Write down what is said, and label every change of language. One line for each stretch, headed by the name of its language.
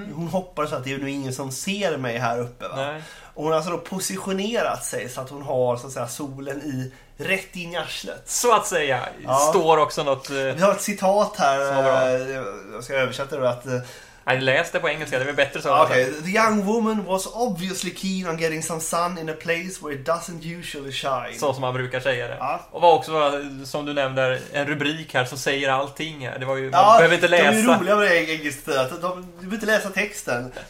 Swedish: Hon hoppar så att det är nog ingen som ser mig här uppe. Va? Och hon har alltså då positionerat sig så att hon har så att säga, solen i... Rätt in i arslet. Så att säga. Ja. Står också något... Vi har ett citat här. Jag ska översätta det. Jag läste på engelska, det är bättre så. Okay.
English: The young woman was obviously keen on getting some sun in a place where it doesn't usually shine.
Swedish: Så som man brukar säga det. Ja. Och var också, som du nämnde, en rubrik här som säger allting. Det var ju, man behöver inte läsa. De är roliga med det engelska. Du behöver inte läsa texten.